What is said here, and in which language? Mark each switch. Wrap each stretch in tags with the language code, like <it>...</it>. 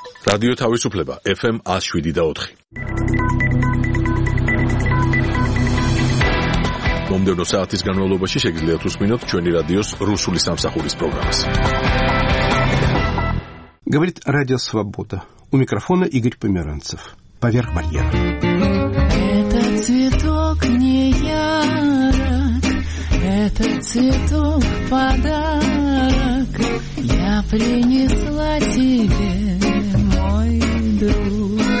<ka>რადიო თავისუფლება FM 107.4. მომდევნო საათის განმავლობაში შეგიძლიათ უსმინოთ ჩვენი რადიოს რუსული სამსახურის პროგრამას.</ka> <ru>Говорит радио Свобода. У микрофона Игорь Померанцев. Поверх барьера. Это цветок не ярок, это цветок подарок. Я принесла тебе, мой друг.</ru>